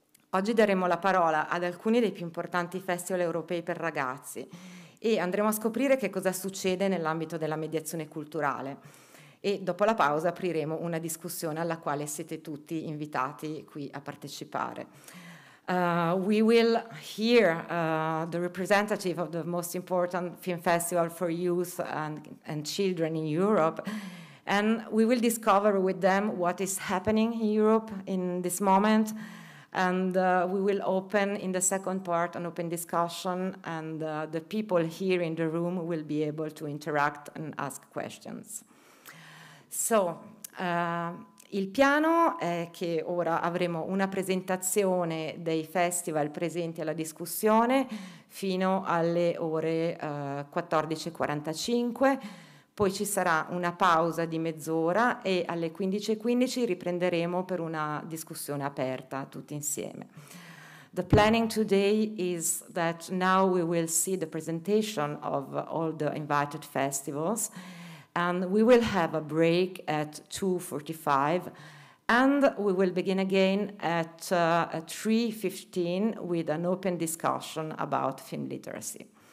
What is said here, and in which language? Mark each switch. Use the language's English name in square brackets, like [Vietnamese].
[Italian] Oggi daremo la parola ad alcuni dei più importanti festival europei per ragazzi e andremo a scoprire che cosa succede nell'ambito della mediazione culturale. E dopo la pausa apriremo una discussione alla quale siete tutti invitati qui a partecipare. [English] We will hear the representative of the most important film festival for youth and children in Europe, and we will discover with them what is happening in Europe in this moment, and we will open in the second part an open discussion, and the people here in the room will be able to interact and ask questions. [Italian] So, il piano è che ora avremo una presentazione dei festival presenti alla discussione fino alle ore 14.45, poi ci sarà una pausa di mezz'ora e alle 15.15 riprenderemo per una discussione aperta tutti insieme. [English] The planning today is that now we will see the presentation of all the invited festivals. And we will have a break at 2.45, and we will begin again at 3.15 with an open discussion about film literacy.